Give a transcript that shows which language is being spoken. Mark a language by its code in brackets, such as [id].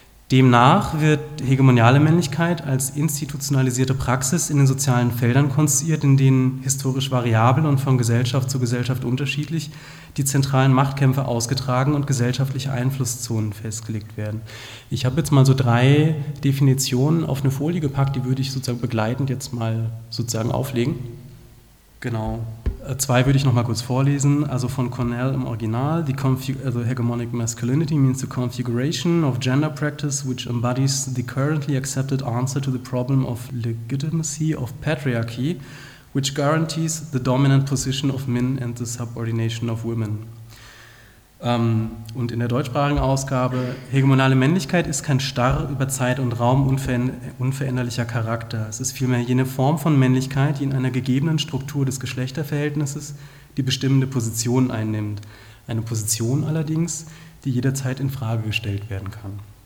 [de] Demnach wird hegemoniale Männlichkeit als institutionalisierte Praxis in den sozialen Feldern konstruiert, in denen historisch variabel und von Gesellschaft zu Gesellschaft unterschiedlich die zentralen Machtkämpfe ausgetragen und gesellschaftliche Einflusszonen festgelegt werden. Ich habe jetzt mal so drei Definitionen auf eine Folie gepackt, die würde ich sozusagen begleitend jetzt mal sozusagen auflegen. Genau. Zwei würde ich noch mal kurz vorlesen, also von Cornell im Original. [en] The hegemonic masculinity means the configuration of gender practice which embodies the currently accepted answer to the problem of legitimacy of patriarchy, which guarantees the dominant position of men and the subordination of women. [de] Und in der deutschsprachigen Ausgabe, hegemonale Männlichkeit ist kein starr über Zeit und Raum unveränderlicher Charakter. Es ist vielmehr jene Form von Männlichkeit, die in einer gegebenen Struktur des Geschlechterverhältnisses die bestimmende Position einnimmt. Eine Position allerdings, die jederzeit in Frage gestellt werden kann.